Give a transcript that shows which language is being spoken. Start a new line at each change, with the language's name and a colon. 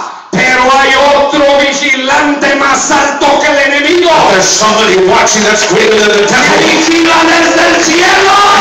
Spanish: Pero hay otro vigilante más alto que el enemigo.
English: Oh, there's somebody watching that's greater than the devil.
Spanish: El vigilante es del cielo.